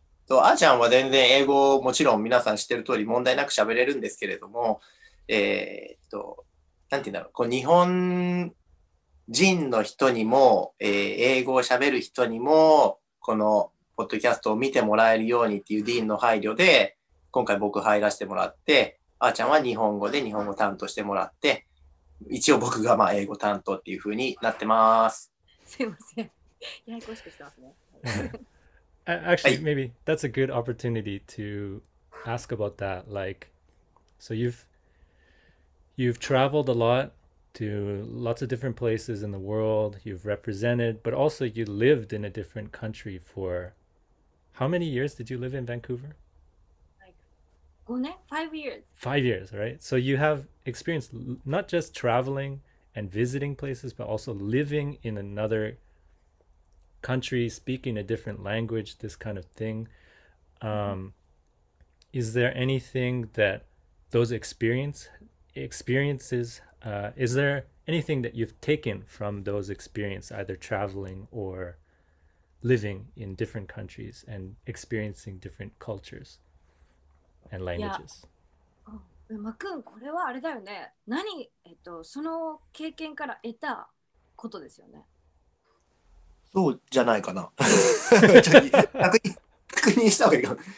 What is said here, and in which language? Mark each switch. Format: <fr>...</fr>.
<ja>あちゃんは全然英語をもちろん皆さん知ってる通り問題なく喋れるんですけれども、なんて言うんだろう、こう日本人の人にも、英語を喋る人にもこのポッドキャストを見てもらえるようにっていうディーンの配慮で今回僕入らせてもらって、あーちゃんは日本語で日本語担当してもらって、一応僕がまあ英語担当っていう風になってます。すいません、ややこしくしてますね。</ja> <en>Actually, maybe that's a good opportunity to ask about that. Like, so you've traveled a lot to lots of different places in the world. You've represented, but also you lived in a different country for how many years did you live in Vancouver? Like 5 years. 5 years, right? So you have experience not just traveling and visiting places, but also living in another country, speaking a different language, this kind of thing. Is there anything that those experiences, is there anything that you've taken from those experiences, either traveling or living in different countries and experiencing different cultures and languages?</en> <ja>マくん、これはあれだよね。何、その経験から得たことですよね。そうじゃないかな。確認した方がいいかな。</ja>